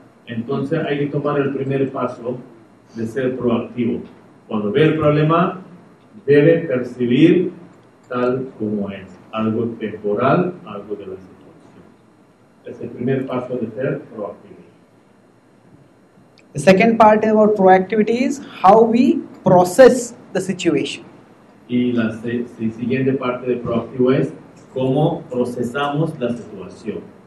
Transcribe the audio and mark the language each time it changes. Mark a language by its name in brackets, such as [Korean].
[Spanish] Entonces, hay que tomar el primer paso de ser proactivo. Cuando ve el problema, debe percibir tal como es, algo temporal, algo de la situación. Es el primer paso de ser proactivo. [English] The second part of our proactivity is how we process the situation. [Spanish] Y la siguiente parte de proactivo es cómo procesamos la situación.